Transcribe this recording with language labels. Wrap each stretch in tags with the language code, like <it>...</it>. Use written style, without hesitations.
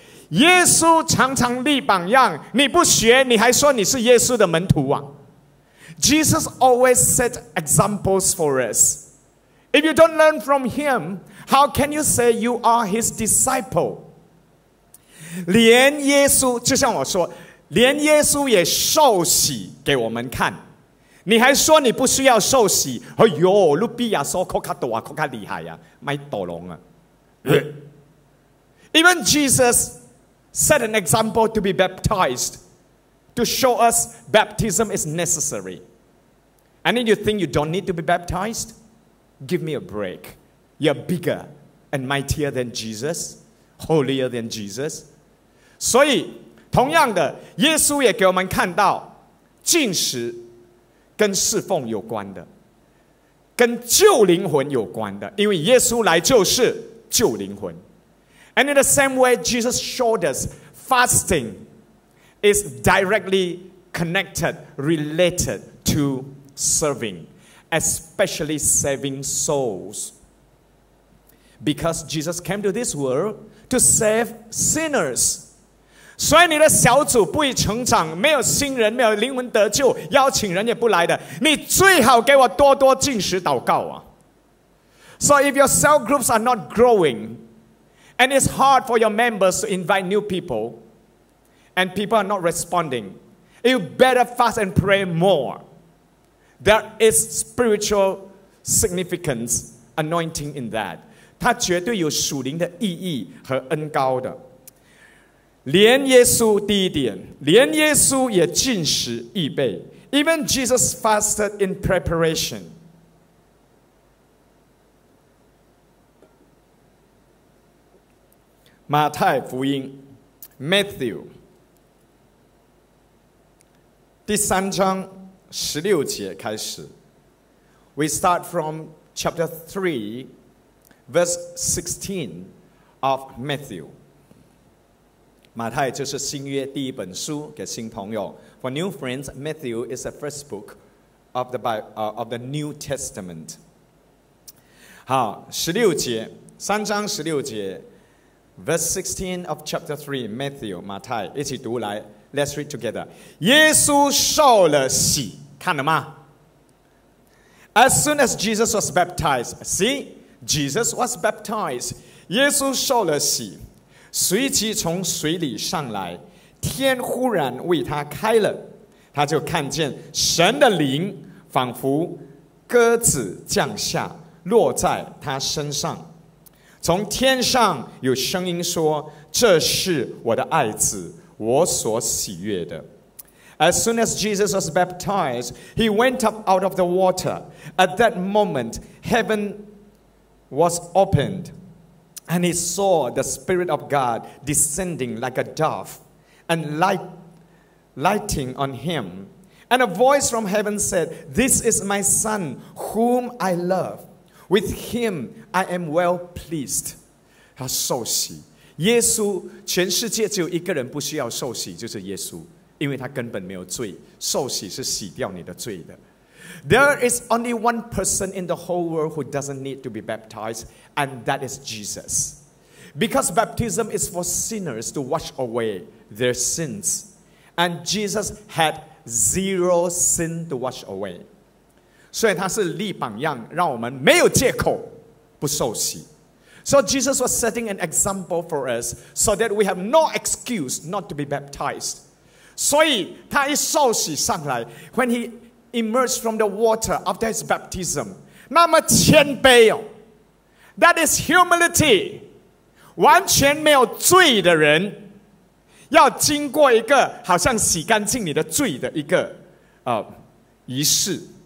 <zh>耶稣常常立榜样，你不学，你还说你是耶稣的门徒啊？</zh> <en>Jesus always set examples for us. If you don't learn from him, how can you say you are his disciple?</en> <zh>连耶稣，就像我说，连耶稣也受洗给我们看，你还说你不需要受洗？哎呦，路比亚说可卡多啊，可卡厉害啊，麦多龙啊。</zh> <en>Even Jesus. Set an example to be baptized to show us baptism is necessary. And if you think you don't need to be baptized, give me a break. You're bigger and mightier than Jesus, holier than Jesus.</en> <zh>所以同样的，耶稣也给我们看到禁食跟侍奉有关的，跟救灵魂有关的，因为耶稣来就是救灵魂。</zh> <en>And in the same way, Jesus showed us fasting is directly connected, related to serving, especially saving souls. Because Jesus came to this world to save sinners.</en> <zh>所以你的小组不以成长，没有新人，没有灵魂得救，邀请人也不来的，你最好给我多多禁食祷告啊。</zh> <en>So if your cell groups are not growing,And it's hard for your members to invite new people, and people are not responding. You better fast and pray more. There is spiritual significance, anointing in that.</en> <zh>它绝对有属灵的意义和恩膏的。连耶稣第一点，连耶稣也禁食预备。</zh> <en>Even Jesus fasted in preparation.</en> <zh>马太福音 Matthew 第三章十六节开始。</zh> <en>We start from chapter 3 verse 16 of Matthew.</en> <zh>马太就是新约第一本书，给新朋友。</zh> <en>For new friends, Matthew is the first book of the New Testament.</en> <zh>好，十六节，三章十六节。</zh> <en>Verse 16 of chapter 3, Matthew,</en> <zh>马太，一起读来。</zh> <en>Let's read together.</en> <zh>耶稣受了洗，看了吗？</zh> <en>As soon as Jesus was baptized, see, Jesus was baptized.</en> <zh>耶稣受了洗，随即从水里上来，天忽然为他开了，他就看见神的灵仿佛鸽子降下，落在他身上。从天上有声音说，这是我的爱子，我所喜悦的。</zh> <en>As soon as Jesus was baptized, he went up out of the water. At that moment, heaven was opened, and he saw the Spirit of God descending like a dove and lighting on him. And a voice from heaven said, This is my Son, whom I love. With him, I am well pleased.</en> <zh>他受洗，耶稣，全世界只有一个人不需要受洗，就是耶稣，因为他根本没有罪。受洗是洗掉你的罪的。</zh> <en>There is only one person in the whole world who doesn't need to be baptized, and that is Jesus. Because baptism is for sinners to wash away their sins. And Jesus had zero sin to wash away.</en> <zh>所以他是立榜样，让我们没有借口不受洗。</zh> <en>So Jesus was setting an example for us so that we have no excuse not to be baptized.</en> <zh>所以他一受洗上来 ，</zh> <en>when he emerged from the water after his baptism，</en> <zh>那么谦卑哦 ，</zh> <en>that is humility，</en> <zh>完全没有罪的人，要经过一个好像洗干净你的罪的一个仪式。</zh>